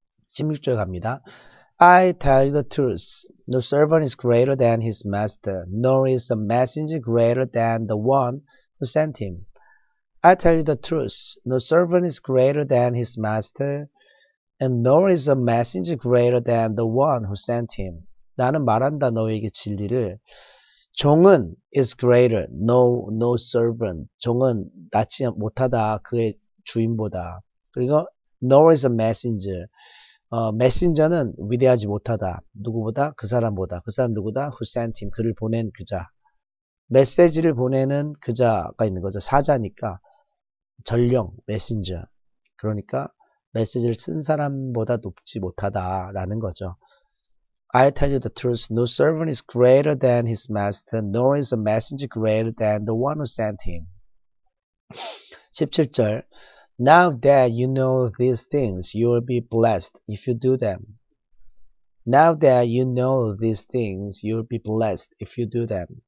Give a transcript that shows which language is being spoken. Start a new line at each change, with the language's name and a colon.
Korean: 16절 갑니다.
English: I tell you the truth. No servant is greater than his master, nor is a messenger greater than the one who sent him. I tell you the truth. No servant is greater than his master, and nor is a messenger greater than the one who sent him.
Korean: 나는 말한다 너에게 진리를. 종은
English: is greater. No servant.
Korean: 종은 낫지 못하다 그의 주인보다. 그리고
English: Nor is a messenger.
Korean: 메신저는 위대하지 못하다. 누구보다? 그 사람보다. 그 사람 누구다?
English: Who sent him?
Korean: 그를 보낸 그자. 메시지를 보내는 그자가 있는 거죠. 사자니까. 전령, 메신저. 그러니까 메시지를 쓴 사람보다 높지 못하다라는 거죠.
English: I tell you the truth. No servant is greater than his master, nor is a messenger greater than the one who sent him.
Korean: 17절.
English: Now that you know these things, you will be blessed if you do them. Now that you know these things, you will be blessed if you do them.